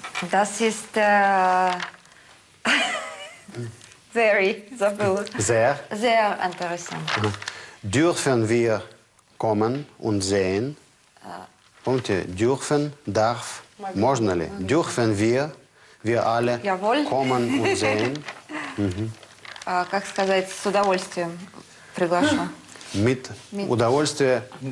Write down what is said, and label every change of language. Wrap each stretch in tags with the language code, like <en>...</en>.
<de>Das ist sehr interessant. Dürfen wir kommen und sehen? Dürfen, darf,</de> <ru>можно ли?</ru> <de>Dürfen wir alle kommen und sehen?</de> <ru>Как сказать, с удовольствием приглашу. Mit удовольствием.</ru>